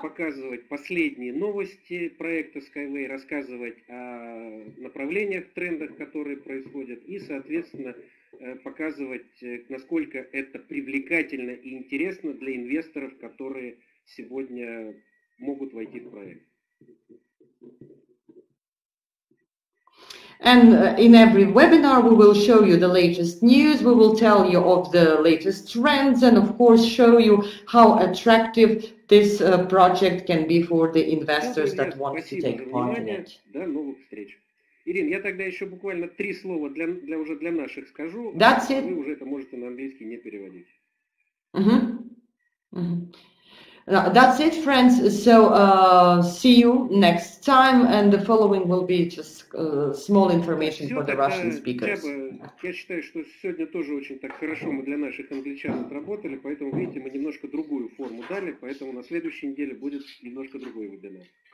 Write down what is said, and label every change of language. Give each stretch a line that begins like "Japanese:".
Russian: Показывать последние новости проекта SkyWay, рассказывать о направлениях, трендах, которые происходят, и, соответственно, показывать, насколько это привлекательно и интересно для инвесторов, которые сегодня могут войти в проект.
English: And in every webinar, we will show you the latest news, we will tell you of the latest trends, and of course show you how attractive this project can be for the investors that want to take part in it.
Russian: Ирина, я тогда еще буквально три слова для уже для наших скажу.
English: That's it.
Russian: Вы уже это можете на английский не переводить.
English: That's it, friends. So, see you next time. And the following will be just small information for the Russian speakers.
Russian: Я считаю, что сегодня тоже очень так хорошо мы для наших англичан отработали, поэтому, видите, мы немножко другую форму дали, поэтому на следующей неделе будет немножко другой вебинар.